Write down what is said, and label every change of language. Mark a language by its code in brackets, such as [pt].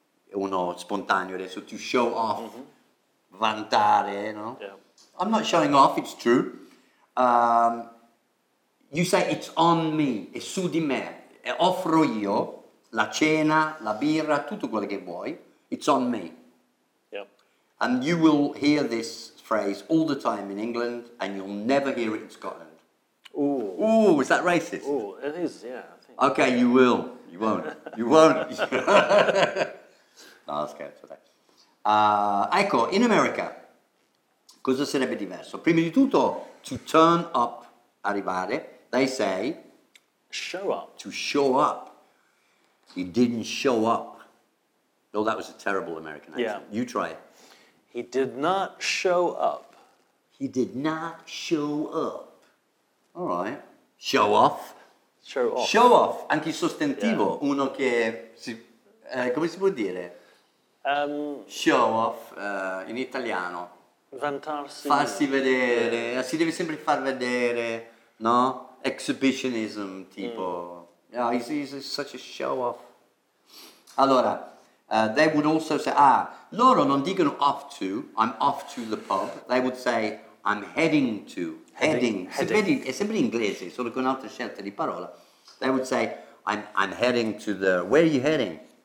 [it] Uno spontaneo adesso. [en] To show off. [it] Mm-hmm. Vantare, no? [en] Yeah. I'm not showing off, it's true. You say it's on me, [it] è su di me. E offro io la cena, la birra, tutto quello che vuoi. [en] It's on me. Yep. And you will hear this phrase all the time in England and you'll never hear it in Scotland. Ooh. Ooh, is that racist? Ooh, it is, yeah. I think. Okay, you will. You won't. You won't. No, that's okay. [it] Ecco, in America... Cosa sarebbe diverso? Prima di tutto, [en] to turn up, arrivare, they say... Show up. To show up. He didn't show up. Oh, that was a terrible American accent. Yeah. You try it. He did not show up. He did not show up. All right. Show off. Show off. [it] Show off. Anche sostantivo. Yeah. Uno che... Si, come si può dire? Show off in italiano. Vantarsi. Farsi vedere, si deve sempre far vedere, no? [en] Exhibitionism, tipo. Mm. Oh, he's such a show off. [it] Allora, [en] they would also say, [it] loro non dicono [en] off to, I'm off to the pub. They would say, I'm heading to. Heading. [it] Se vedi, è sempre in inglese, solo con un'altra scelta di parola. [en] They would say, I'm heading to the, where are you heading?